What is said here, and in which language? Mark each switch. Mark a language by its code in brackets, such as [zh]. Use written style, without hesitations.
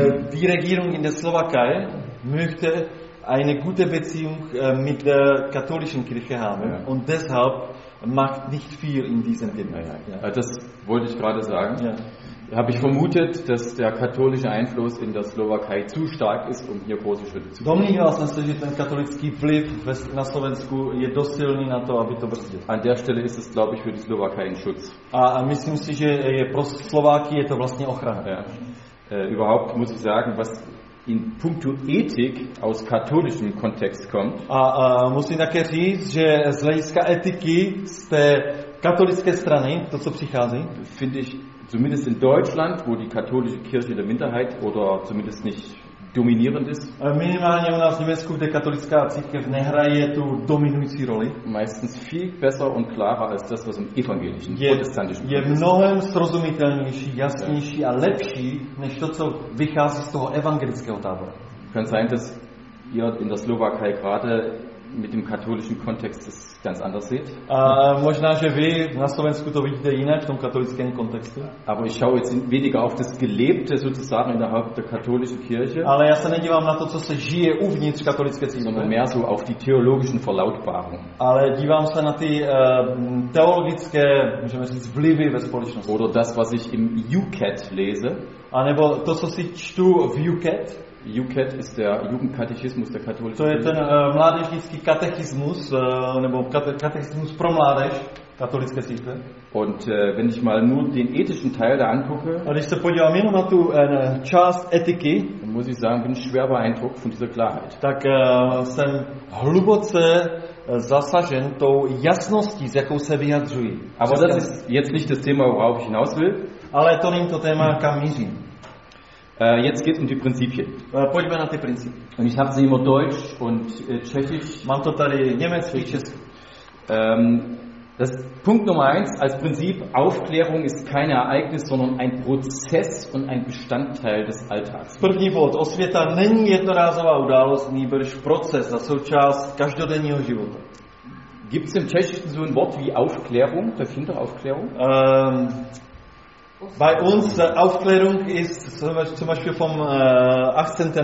[de] Die Regierung in der Slowakei möchte eine gute Beziehung mit der katholischen Kirche haben und deshalb macht nicht viel in diesem Thema. Das wollte ich gerade sagen. Ja. habe ich vermutet, dass der katholische Einfluss in der Slowakei zu stark ist, um hier große Schritte zu tun. [cs] Domníval jsem se, že ten katolický vliv na Slovensku je dost silný na to, aby to brzdil. [de] An der Stelle ist es, glaube ich, für die Slowakei ein Schutz. [cs] A myslím si, že je pro Slováky je to vlastně ochrana. [de] Ja. Überhaupt muss ich sagen, was in puncto Ethik aus katholischem Kontext kommt. [cs] A musím také říct, že z hlediska etiky z té katolické strany, to co přichází, [de] finde ich zumindest in Deutschland, wo die katholische Kirche in der Minderheit oder zumindest nicht dominierend ist. [cs] Minimálně u nás v Německu, kde katolická církev nehraje tu dominující roli. [de] Meistens viel besser und klarer als das, was im evangelischen, protestantischen Kontext. [cs] Je mnohem srozumitelnější, jasnější a lepší, než to, co vychází z toho evangelického tábora. [de] Kann sein, dass ihr in der Slowakei gerade mit dem katholischen Kontext es ganz anders seht. [cs] Možná, že vy na Slovensku to vidíte jinak v tom katolickém kontextu. [de] Aber ich schaue jetzt weniger auf das Gelebte sozusagen innerhalb der katholischen Kirche. [cs] Ale já se nedívám na to, co se žije uvnitř katolické církve. [de] Sondern mehr so auf die theologischen Verlautbarungen. [cs] Ale dívám se na ty teologické, můžeme říct, vlivy ve společnosti. [de] Oder das, was ich im UCAT lese. [cs] A nebo to, co si čtu v UCAT. [de] UCAT ist der Jugendkatechismus der katholischen Kirche. [cs] To je ten mládežnický katechismus nebo katechismus pro mládež katolické církve. [de] Und wenn ich mal nur den ethischen Teil da angucke, [cs] a když se podívám jenom na tu část etiky, [de] muss ich sagen, bin schwer beeindruckt von dieser Klarheit. [cs] Tak jsem hluboce zasažen tou jasností, s jakou se vyjadřují. [de] Aber das ist jetzt nicht das Thema, worauf ich hinaus will. [cs] Ale to není to téma, kam mířím. [de] Jetzt geht es um die Prinzipien. [cs] Pojďme na ty principy. [de] Und ich habe sie immer deutsch und tschechisch. [cs] Mám to tady německy, česky. [de] Das Punkt Nummer 1 als Prinzip, Aufklärung ist kein Ereignis, sondern ein Prozess und ein Bestandteil des Alltags. [cs] První bod, osvěta není jednorázová událost, nýbrž proces a součást každodenního života. [de] Gibt es im Tschechischen so ein Wort wie Aufklärung, der finde Aufklärung? Bei uns Aufklärung ist zum Beispiel vom 18.